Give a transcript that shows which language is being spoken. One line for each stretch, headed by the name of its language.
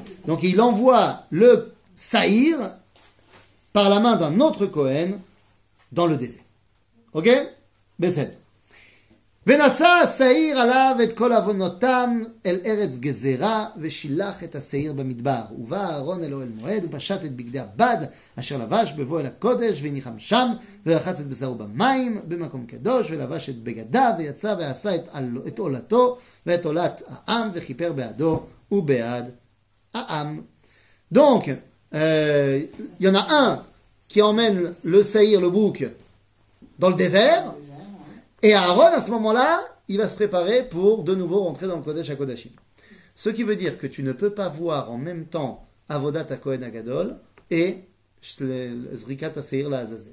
French: Donc, il envoie le Saïr par la main d'un autre Cohen. Dans le désert. Ok? Bessel.
Hebrew: ונשא השעיר עליו את כל עוונותם אל ארץ גזרה, ושילח את השעיר במדבר. ובא אהרון אל אוהל מועד, ופשט את בגדי הבד, אשר לבש בבוא אל הקודש, וניחם שם, ורחץ את בשרו במים, במקום קדוש, ולבש את בגדיו, ויצא ועשה את עולתו, ואת עולת העם, וכיפר בעדו ובעד העם.
French: Donc, il y en a un qui emmène le saïr, le bouc, dans le désert. Et Aaron, à ce moment-là, il va se préparer pour de nouveau rentrer dans le Kodesh à Kodashim. Ce qui veut dire que tu ne peux pas voir en même temps Avodat HaKohen HaGadol et Zrikat HaSeir LaAzazel.